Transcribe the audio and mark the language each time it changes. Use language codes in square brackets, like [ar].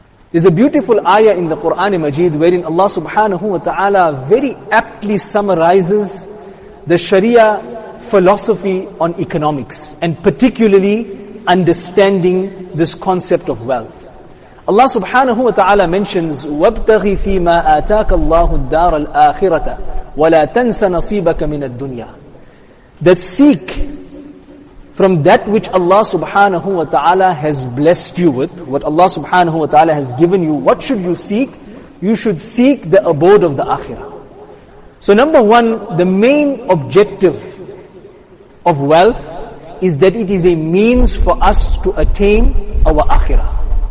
[en] There's a beautiful ayah in the Quran Majeed wherein Allah subhanahu wa ta'ala very aptly summarizes the Sharia philosophy on economics, and particularly understanding this concept of wealth. Allah subhanahu wa ta'ala mentions, [ar] وَابْتَغِ فِي مَا آتَاكَ اللَّهُ الدَّارَ الْآخِرَةَ وَلَا تَنْسَ نَصِيبَكَ مِنَ الدُّنْيَا. [en] That seek from that which Allah subhanahu wa ta'ala has blessed you with, what Allah subhanahu wa ta'ala has given you, what should you seek? You should seek the abode of the akhirah. So number one, the main objective of wealth is that it is a means for us to attain our akhirah.